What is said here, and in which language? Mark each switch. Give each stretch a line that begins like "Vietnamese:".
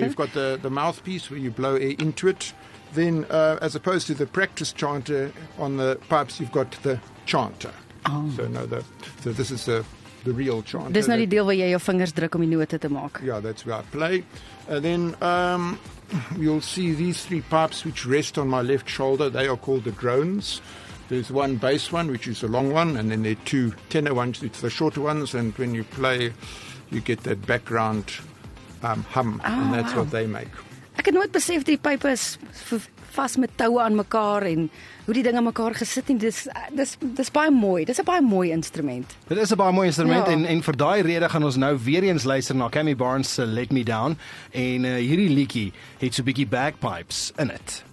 English: You've got the mouthpiece where you blow air into it. Then, as opposed to the practice chanter on the pipes, you've got the chanter. Oh. So this is the real chanter.
Afrikaans: Dis nou die deel waar jy jou vingers druk om die note te maak.
English: Yeah, that's where I play. And then... you'll see these three pipes which rest on my left shoulder. They are called the drones. There's one bass one, which is a long one, and then there are two tenor ones, which are the shorter ones, and when you play, you get that background hum, and that's what they make.
Afrikaans: Ek het nooit besef die pipe is vas met touwe aan mekaar en hoe die ding aan mekaar gesit en dis baie mooi. Dis 'n baie mooi instrument. Dit is 'n baie mooi instrument en vir daai rede gaan ons nou weer eens luister na Cammy Barnes se Let Me Down en hierdie liedjie het so 'n bietjie bagpipes
English: in it.